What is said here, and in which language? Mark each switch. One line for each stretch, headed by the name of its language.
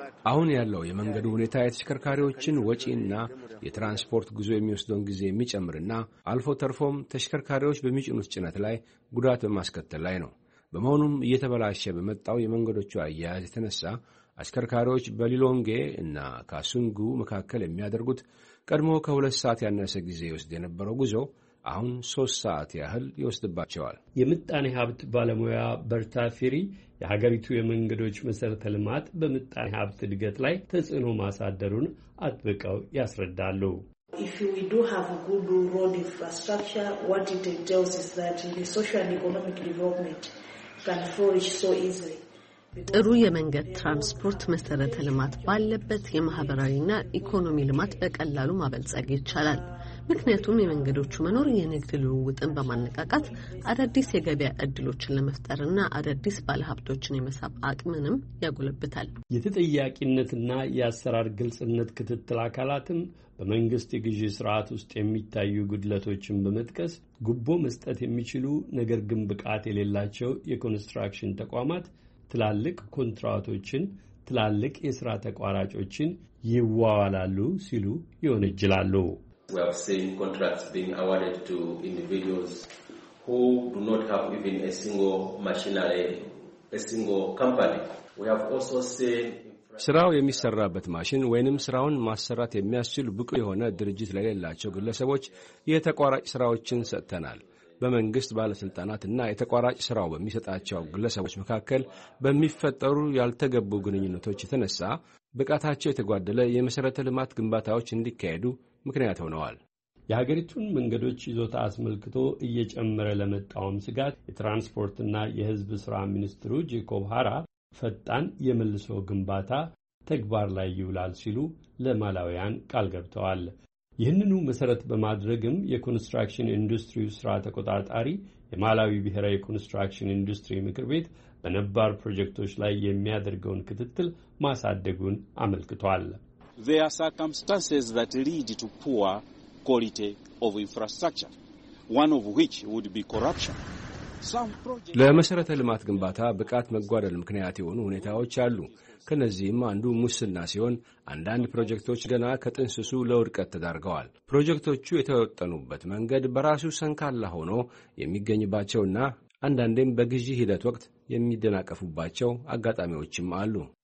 Amharic: አሁን ያለው የመንገዱ ሁኔታ የተሽከርካሪዎችን ወጪና የትራንስፖርት ጉዞ የሚወስደውን ጊዜ የሚጨምርና አልፎ ተርፎም ተሽከርካሪዎች በሚጭኑት ጭነት ላይ ጉዳት በማስከተል ላይ ነው። በመሆኑም እየተበላሸ በመጣው የመንገዶቹ አያያዝ የተነሳ አሽከርካሪዎች በሊሎንጌ እና ካሱንጉ መካከል የሚያደርጉት ቀድሞ ከ2 ሰዓት ያነሰ ጊዜ ይወስድ የነበረው ጉዞ አሁን 3 ሰዓት ያህል ይወስድባቸዋል። የምጣኔ ሀብት ባለሙያ በርታ ፊሪ የሀገሪቱ የመንገዶች መሠረተ ልማት በምጣኔ ሀብት እድገት ላይ ተጽዕኖ ማሳደሩን አጥብቀው ያስረዳሉ።
English: If we do have a good road infrastructure, what it entails is that the social and economic development can flourish so easily.
Amharic: ጥሩ የመንገድ ትራንስፖርት መሰረተ ልማት ባለበት የማህበራዊና ኢኮኖሚ ልማት በቀላሉ ማበልጸግ ይቻላል። ምክንያቱም የመንገዶቹ መኖር የንግድ ልውውጥን በማነቃቃት አዳዲስ የገበያ እድሎችን ለመፍጠርና አዳዲስ ባለሀብቶችን የመሳብ አቅምንም ያጎለብታል። የተጠያቂነትና የአሰራር ግልጽነት ክትትል አካላትም በመንግስት የግዢ ስርዓት ውስጥ የሚታዩ ጉድለቶችን በመጥቀስ ጉቦ መስጠት የሚችሉ ነገር ግን ብቃት የሌላቸው የኮንስትራክሽን ተቋማት ትላልቅ ኮንትራቶችን፣ ትላልቅ የስራ ተቋራጮችን ይዋዋላሉ ሲሉ ይወነጅላሉ።
English: We have seen contracts being awarded to individuals who do not have even a single machinery, a single company. We have also seen
Amharic: ስራው የሚሰራበት ማሽን ወይንም ስራውን ማሰራት የሚያስችል ብቁ የሆነ ድርጅት ለሌላቸው ግለሰቦች የተቋራጭ ስራዎችን ሰጥተናል። በመንግስት ባለስልጣናት እና የተቋራጭ ስራው በሚሰጣቸው ግለሰቦች መካከል በሚፈጠሩ ያልተገቡ ግንኙነቶች የተነሳ ብቃታቸው የተጓደለ የመሰረተ ልማት ግንባታዎች እንዲካሄዱ ምክንያት ሆነዋል። የሀገሪቱን መንገዶች ይዞታ አስመልክቶ እየጨመረ ለመጣውም ስጋት የትራንስፖርትና የህዝብ ስራ ሚኒስትሩ ጄኮብ ሃራ ፈጣን የመልሶ ግንባታ ተግባር ላይ ይውላል ሲሉ ለማላውያን ቃል ገብተዋል። ይህንኑ መሰረት በማድረግም የኮንስትራክሽን ኢንዱስትሪው ስራ ተቆጣጣሪ የማላዊ ብሔራዊ የኮንስትራክሽን ኢንዱስትሪ ምክር ቤት በነባር ፕሮጀክቶች ላይ የሚያደርገውን ክትትል ማሳደጉን አመልክቷል።
English: There are circumstances that lead to poor quality of infrastructure, one of which would be corruption.
Amharic: ለመሰረተ ልማት ግንባታ ብቃት መጓደል ምክንያት የሆኑ ሁኔታዎች አሉ። ከነዚህም አንዱ ሙስና ሲሆን አንዳንድ ፕሮጀክቶች ገና ከጥንስሱ ለውድቀት ተዳርገዋል። ፕሮጀክቶቹ የተወጠኑበት መንገድ በራሱ ሰንካላ ሆኖ የሚገኝባቸውና አንዳንዴም በግዢ ሂደት ወቅት የሚደናቀፉባቸው አጋጣሚዎችም አሉ።